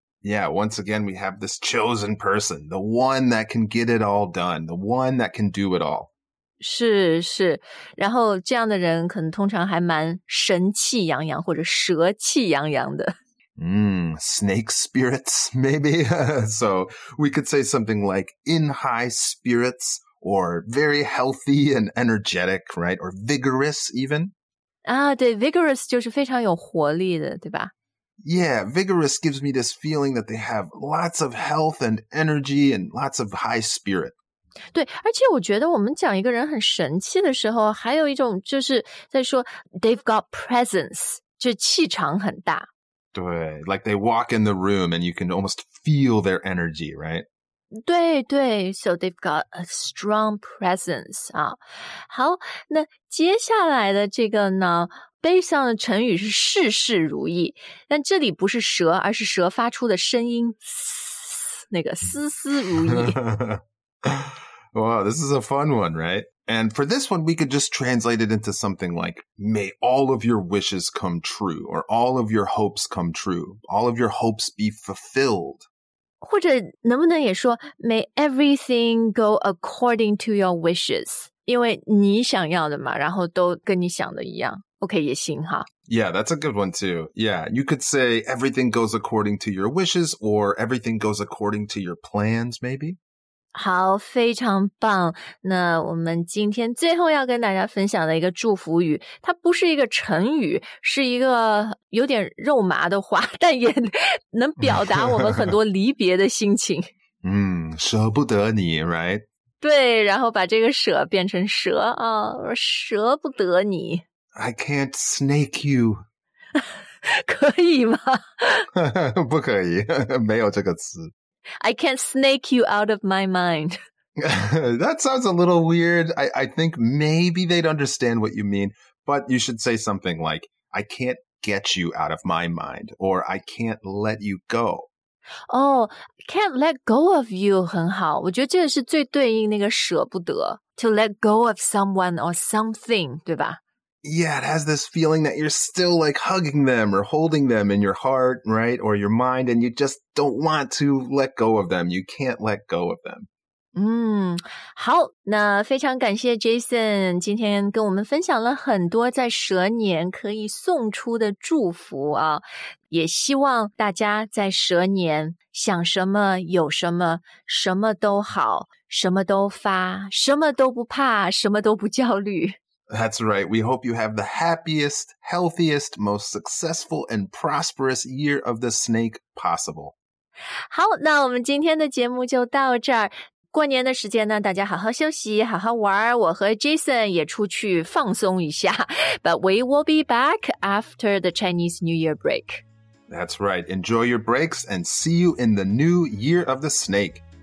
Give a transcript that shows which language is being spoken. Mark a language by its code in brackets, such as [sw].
[en] Yeah, once again, we have this chosen person, the one that can get it all done, the one that can do it all. [zh] 是是然后这样的人可能通常还蛮神气洋洋或者蛇气洋洋的。 [en] Snake spirits, maybe. So we could say something like in high spirits or very healthy and energetic, right? Or vigorous even. [zh] 啊、ah, 对 vigorous 就是非常有活力的对吧 [en] Yeah, vigorous gives me this feeling that they have lots of health and energy and lots of high spirit. [zh] 对，而且我觉得我们讲一个人很神气的时候，还有一种就是在说 [en] they've got presence， [zh] 就气场很大。 [en] 对， like they walk in the room and you can almost feel their energy, right? 对对， so they've got a strong presence. [zh] 啊，好，那接下来的这个呢，悲伤的成语是事事如意，但这里不是蛇，而是蛇发出的声音，那个丝丝如意。 [en] Wow, this is a fun one, right? And for this one, we could just translate it into something like, may all of your wishes come true, or all of your hopes come true, all of your hopes be fulfilled. [zh] 或者能不能也说 [en] may everything go according to your wishes, [zh] 因为你想要的嘛，然后都跟你想的一样。OK, 也行哈。 [en] Yeah, that's a good one too. Yeah, you could say everything goes according to your wishes, or everything goes according to your plans, maybe. [zh] 好，非常棒。那我们今天最后要跟大家分享的一个祝福语，它不是一个成语，是一个有点肉麻的话，但也能表达我们很多离别的心情。嗯，舍不得你 ，right？对，然后把这个舍变成蛇啊，舍不得你。 [en] I can't snake you. [zh] 可以吗？不可以，没有这个词。 [en] I can't snake you out of my mind. That sounds a little weird. I think maybe they'd understand what you mean, but you should say something like, I can't get you out of my mind, or I can't let you go. Oh, can't let go of you [zh] 很好。我觉得这个是最对应那个舍不得 [en] to let go of someone or something, [zh] 对吧？ [en] Yeah, it has this feeling that you're still like hugging them or holding them in your heart, right? Or your mind, and you just don't want to let go of them. You can't let go of them. [zh] 嗯，好，那非常感谢 Jason 今天跟我们分享了很多在蛇年可以送出的祝福啊，也希望大家在蛇年想什么有什么，什么都好，什么都发，什么都不怕，什么都不焦虑。 [en] That's right. We hope you have the happiest, healthiest, most successful and prosperous year of the snake possible. [zh] 好，那我们今天的节目就到这儿。过年的时间呢，大家好好休息，好好玩。我和 Jason 也出去放松一下。 [en] But we will be back after the Chinese New Year break. That's right. Enjoy your breaks and see you in the new year of the snake.